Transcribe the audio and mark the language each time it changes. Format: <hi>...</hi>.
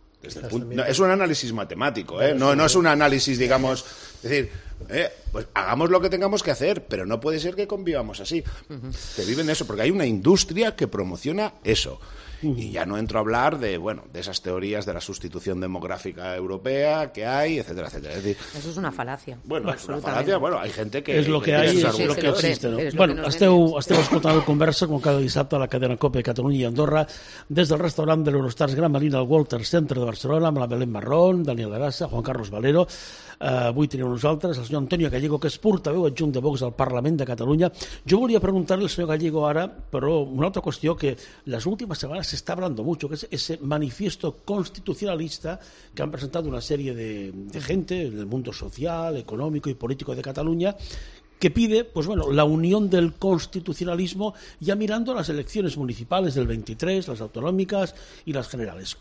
<es>Es un análisis matemático, ¿eh? No es un análisis, digamos, es decir, pues hagamos lo que tengamos que hacer, pero no puede ser que convivamos así. Que viven eso, porque hay una industria que promociona eso. Y ya no entro a hablar de, bueno, de esas teorías de la sustitución demográfica europea que hay, etcétera, etcétera. Es decir, eso es una falacia. Bueno, es una falacia, bueno, hay gente que... Es lo que hay, es lo que existe, ¿no?</es> <ca>Bueno, esteu escoltant el Conversa, com cada dissabte a la cadena COPE de Catalunya i Andorra, des del restaurant de l'Eurostars Gran Marina al Walter Center de Barcelona, amb la Belén Marrón, Daniel Arasa, Juan Carlos Valero, avui teniu nosaltres, el senyor Antonio Gallego, que és portaveu adjunt de Vox al Parlament de Catalunya. Jo volia preguntar-li al senyor Gallego ara, però una altra qüestió, que les últimes setmanes</ca> <es>se está hablando mucho, que es ese manifiesto constitucionalista que han presentado una serie de gente en el mundo social, económico y político de Cataluña, que pide, pues bueno, la unión del constitucionalismo, ya mirando las elecciones municipales del 23, las autonómicas y las generales.</es>